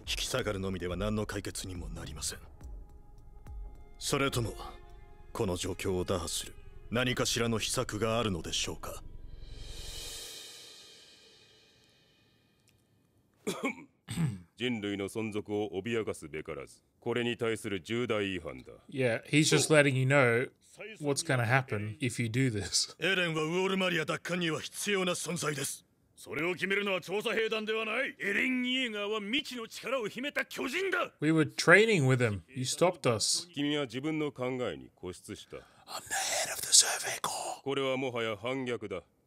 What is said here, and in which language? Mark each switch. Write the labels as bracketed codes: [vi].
[ja] 引き下がるのみでは何の解決にもなりません。それとも。この状況を打破する何かしらの秘策があるのでしょうか。人類の存続を脅かすべからず、これに対する重大違反だ。 [en] Yeah, he's just letting you know what's gonna happen if you do this. [ja] エレンはウォールマリア奪還には必要な存在です。それを決めるのは調査兵団ではない。エレン・イエガーは未知の力を秘めた巨人だ。 [en] We were training with him. You stopped us. [ja] 君は自分の考えに固執した。 [en] I'm the head of the survey corps. [ja] これはもはや反逆だ。